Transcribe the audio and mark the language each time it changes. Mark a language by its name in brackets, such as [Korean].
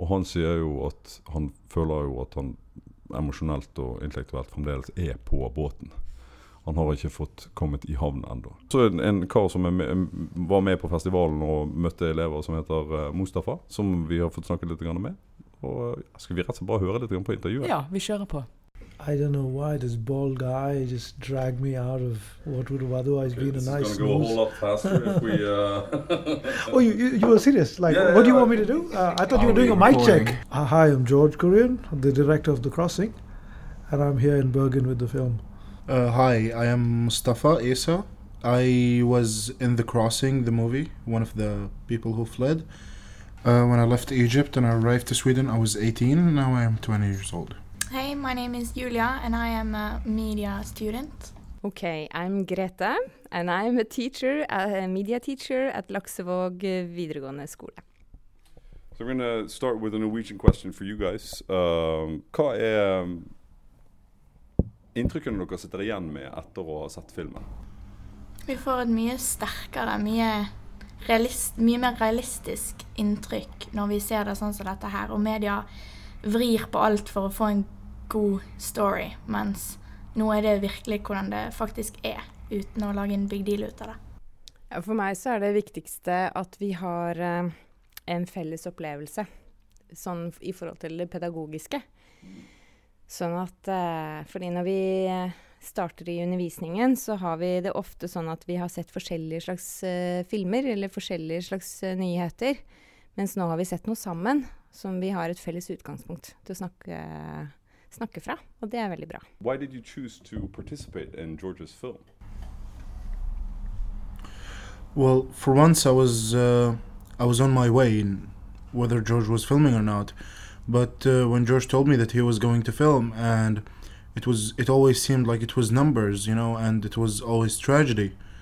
[Norwegian] Og han sier jo at han føler jo at han emosjonelt og intellektuelt fremdeles er på båten. Han har ikke fått kommet i havn enda. Så en kar som var med på festivalen og møtte elever som heter Mustafa, som vi har fått snakket litt med. Og skal vi rett og slett bare høre litt på intervjuet? Ja, vi kjører på. [English] I don't know why this bald guy just dragged me out of what would have otherwise been a nice snooze. This is going to go a whole lot faster if we... Oh, you were serious? Like, yeah, what do you want me to do? I thought you were doing a mic check. Hi, I'm George Kurian, the director of The Crossing, and I'm here in Bergen with the film. Hi, I am Mustafa Esa. I was in The Crossing, the movie, one of the people who fled. When I left Egypt and I arrived to Sweden, I was 18. Now I am 20 years old. Hey, my name is Julia and I am a media student. Okay, I'm Greta and I'm a teacher, a media teacher at Laksevåg videregående skole. So we're going to start with a Norwegian question for you guys. [Norwegian] Hva inntrykkene dere sitter igjen med etter å ha sett filmen? Vi får et mye sterkere, mye mer realistisk inntrykk når vi ser det sånn som dette her, og media vrir på alt for å få en god story, mens nå er det virkelig hvordan det faktisk er, uten å lage en big deal ut av det. Ja, for meg så er det viktigste at vi har en felles opplevelse, sånn i forhold til det pedagogiske. Sånn at, fordi når vi starter i undervisningen, så har vi det ofte sånn at vi har sett forskjellige slags filmer, eller forskjellige slags nyheter, mens nå har vi sett noe sammen, som vi har et felles utgangspunkt til å snakke fra, og det er veldig bra. [English] Why did you choose to participate in George's film? Well, for once I was on my way, in whether George was filming or not, but when George told me that he was going to film, and it always seemed like it was numbers, you know, and it was always tragedy.